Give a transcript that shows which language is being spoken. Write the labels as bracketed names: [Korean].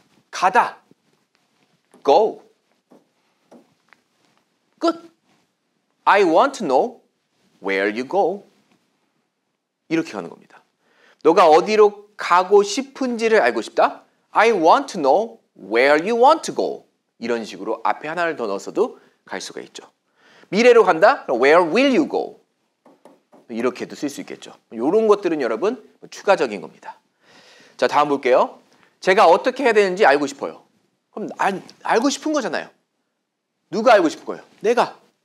[Korean] 가다? Go? [English] 끝. I want to know where you go. [Korean] 이렇게 가는 겁니다. 너가 어디로 가고 싶은지를 알고 싶다? [English] I want to know where you want to go. [Korean] 이런 식으로 앞에 하나를 더 넣어서도 갈 수가 있죠. 미래로 간다? [English] Where will you go? [Korean] 이렇게도 쓸 수 있겠죠. 이런 것들은 여러분 추가적인 겁니다. 자, 다음 볼게요. 제가 어떻게 해야 되는지 알고 싶어요. 그럼 알고 싶은 거잖아요. 누가 알고 싶은 거예요? 내가.